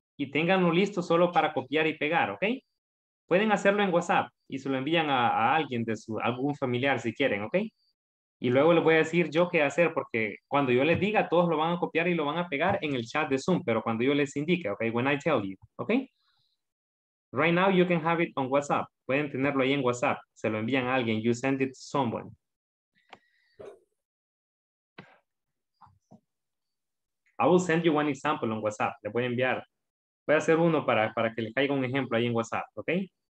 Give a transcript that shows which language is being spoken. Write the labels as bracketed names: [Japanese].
[Spanish] Y ténganlo listo solo para copiar y pegar, ok? Pueden hacerlo en WhatsApp y se lo envían a alguien de algún familiar si quieren, ok? Y luego les voy a decir yo qué hacer porque cuando yo les diga, todos lo van a copiar y lo van a pegar en el chat de Zoom, pero cuando yo les indique, ok? [English] When I tell you, ok? Right now you can have it on WhatsApp. [Spanish] Pueden tenerlo ahí en WhatsApp. Se lo envían a alguien. [English] You send it to someone. I will send you one example on WhatsApp. [Spanish] Le voy a enviar. Voy a hacer uno para que le caiga un ejemplo ahí en WhatsApp. [English] Okay?